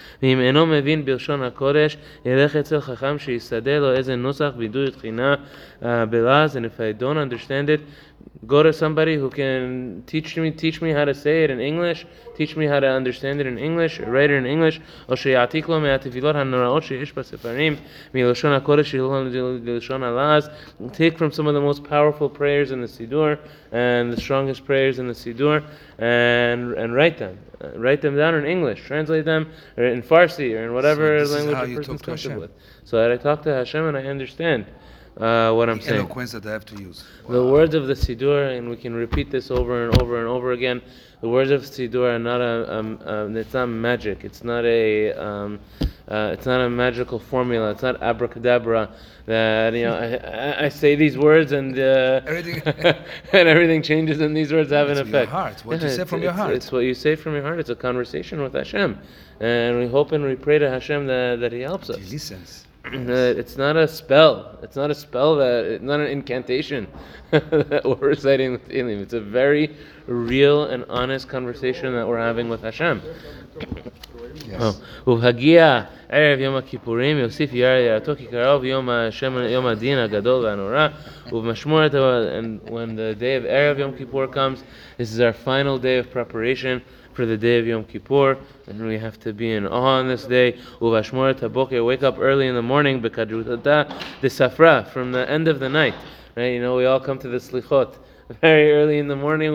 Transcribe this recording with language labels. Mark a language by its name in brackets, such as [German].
[Hebrew] ואם אינו מבין בלשון הקודש ילך אצל חכם שיסדה לו איזה נוסח וידוי תחינה בלעז. [English] And if I don't understand it, go to somebody who can teach me how to say it in English, teach me how to understand it in English, write it in English, [Hebrew] או שיעתיק לו מהתפילות הנוראות שיש בספרים מלשון הקודש ללשון הלעז. [English] Take from some of the most powerful prayers in the Siddur and the strongest prayers in the Siddur and write them. Write them down in English, translate them or in Farsi or in whatever language the person's comfortable with. So that I talk to Hashem and I understand what I'm saying. The eloquence that I have to use. Wow. The words of the Siddur, and we can repeat this over and over and over again, the words of Siddur are not it's not magic. It's not a magical formula. It's not abracadabra that, you know, I say these words and everything changes and these words have an effect. It's your heart. What you say from your heart. It's what you say from your heart. It's a conversation with Hashem. And we hope and we pray to Hashem that He helps us. He listens. It's not a spell. It's not a spell that, it's not an incantation that we're reciting the Tehillim. It's a very real and honest conversation that we're having with Hashem. [Hebrew] ובהגיעה ערב יום הכיפורים יוסיף יער יערתו כי קרוב יום השם יום הדין הגדול והנורא ובמשמורת. [English] And when the day of ערב יום כיפור comes, this is our final day of preparation for the day of Yom Kippur, and we have to be in awe on this day. [Hebrew] Uvashmorat haboker, [English] wake up early in the morning, [Aramaic] bekadrutata de safra, [English] from the end of the night. Right? You know, we all come to the slichot very early in the morning.